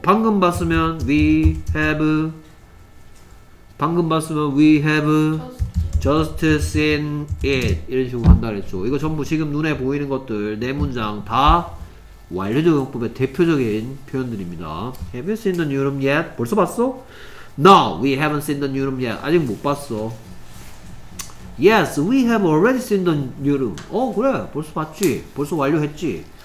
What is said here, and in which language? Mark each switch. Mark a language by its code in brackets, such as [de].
[ko] 방금 봤으면 [en] we have [ko] 방금 봤으면 [en] we have just seen it [ko] 이런 식으로 한다고 했죠. 이거 전부 지금 눈에 보이는 것들 네 문장 다 완료적용법의 대표적인 표현들입니다. [en] Have you seen the new room yet? [ko] 벌써 봤어? [en] No, we haven't seen the new room yet. [ko] 아직 못 봤어. [en] Yes, we have already seen the new room. [ko] 어 그래 벌써 봤지 벌써 완료했지.